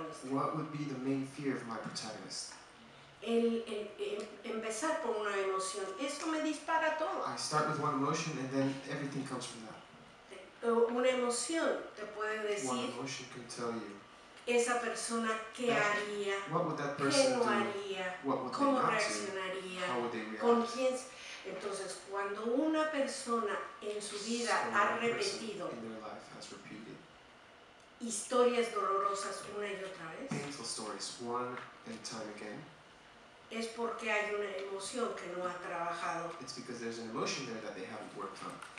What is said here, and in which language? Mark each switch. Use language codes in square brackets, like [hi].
[en] What would be the main fear of my protagonist? [es] Empezar por una emoción, eso me dispara todo. [en] I start with one emotion and then everything comes from that. [es] Una emoción te puede decir. [en] One emotion can tell you. [es] Esa persona qué haría. [en] What would that person do? What would [es] ¿cómo reaccionaría? [en] How would they react? [es] ¿Con quién? Entonces, cuando una persona en su vida [en] so [es] ha repetido. [en] In their life has repeated. [es] Historias dolorosas una y otra vez. [en] Painful stories, one and time again. [es] Es porque hay una emoción que no ha trabajado. [en] It's because there's an emotion there that they haven't worked on.